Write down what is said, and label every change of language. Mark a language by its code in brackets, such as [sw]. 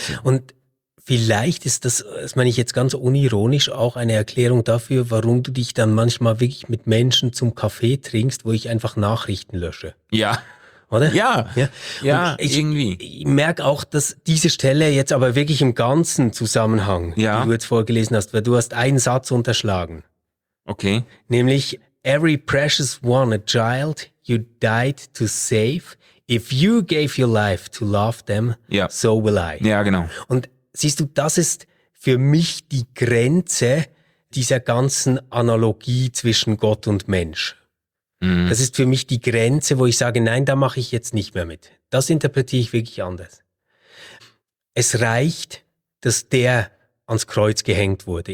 [de] Und vielleicht ist das, das meine ich jetzt ganz unironisch, auch eine Erklärung dafür, warum du dich dann manchmal wirklich mit Menschen zum Kaffee trinkst, wo ich einfach Nachrichten lösche. Ja. Oder? Ja, ja. Ja, ich, irgendwie. Ich merke auch, dass diese Stelle jetzt aber wirklich im ganzen Zusammenhang, ja. die du jetzt vorgelesen hast, weil du hast einen Satz unterschlagen. Okay. [en] Nämlich, every precious one, a child you died to save, if you gave your life to love them, [de] ja. [en] so will I. [de] Ja, genau. Und siehst du, das ist für mich die Grenze dieser ganzen Analogie zwischen Gott und Mensch. Das ist für mich die Grenze, wo ich sage, nein, da mache ich jetzt nicht mehr mit. Das interpretiere ich wirklich anders. Es reicht, dass der ans Kreuz gehängt wurde.